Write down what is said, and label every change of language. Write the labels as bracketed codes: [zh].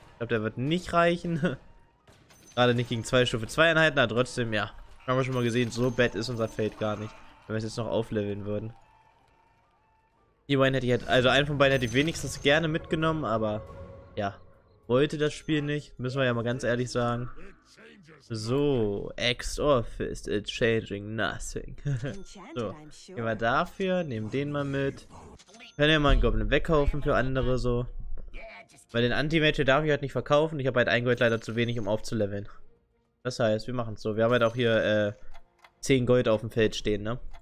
[de] Ich glaube, der wird nicht reichen. Gerade nicht gegen zwei Stufe 2 Einheiten, aber trotzdem, ja. Haben wir schon mal gesehen, so bad ist unser Feld gar nicht. Wenn wir es jetzt noch aufleveln würden. Die beiden hätte ich jetzt, also einen von beiden hätte ich wenigstens gerne mitgenommen, aber ja. Wollte das Spiel nicht, müssen wir ja mal ganz ehrlich sagen. [en] So, Axe or Fist, it's changing nothing. [de] So, gehen wir dafür, nehmen den mal mit. Können ja mal einen Goblin wegkaufen für andere, so. Weil den Anti-Mage darf ich halt nicht verkaufen, ich habe halt ein Gold leider zu wenig, um aufzuleveln. Das heißt, wir machen es so. Wir haben halt auch hier 10 Gold auf dem Feld stehen, ne?